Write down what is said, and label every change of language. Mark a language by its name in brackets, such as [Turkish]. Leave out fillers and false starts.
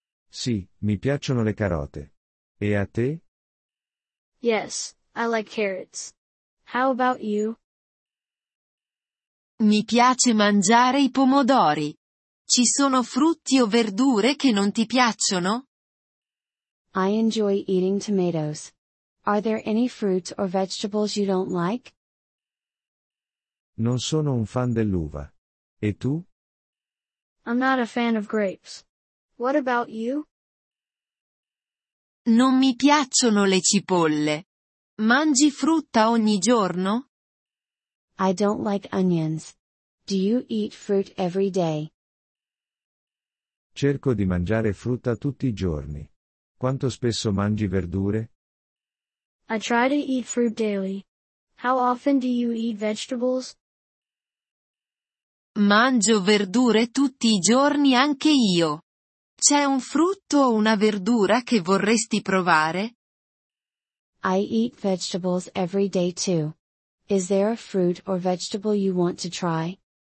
[Italian] Sì, mi piacciono le carote. E a te? [English] Yes, I like carrots. How about you? [Italian] Mi piace mangiare i pomodori. Ci sono frutti o verdure che non ti piacciono? [English] I enjoy eating tomatoes. Are there any fruits or vegetables you don't like? [Italian] Non sono un fan dell'uva. E tu? [English] I'm not a fan of grapes. What about you? [Italian] Non mi piacciono le cipolle. Mangi frutta ogni giorno? [English] I don't like onions. Do you eat fruit every day? [Italian] Cerco di mangiare frutta tutti i giorni. Quanto spesso mangi verdure? [English] I try to eat fruit daily. How often do you eat vegetables? [Italian] Mangio verdure tutti i giorni anche io. C'è un frutto o una verdura che vorresti provare? [English] I eat vegetables every day too. Is there a fruit or vegetable you want to try?